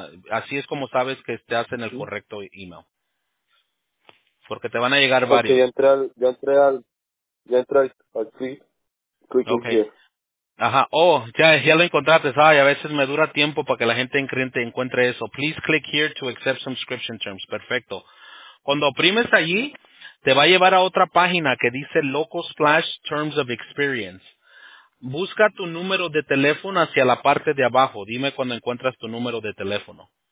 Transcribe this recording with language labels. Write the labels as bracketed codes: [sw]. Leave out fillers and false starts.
[es] Así es como sabes que estás en el correcto email. Porque te van a llegar varios. Okay, ya entré al click okay. Ajá, oh, ya lo encontraste. Ay, a veces me dura tiempo para que la gente increíble encuentre eso. [en] Please click here to accept subscription terms. [es] Perfecto. Cuando oprimes allí, te va a llevar a otra página que dice Local Splash Terms of Experience. Busca tu número de teléfono hacia la parte de abajo. Dime cuando encuentras tu número de teléfono.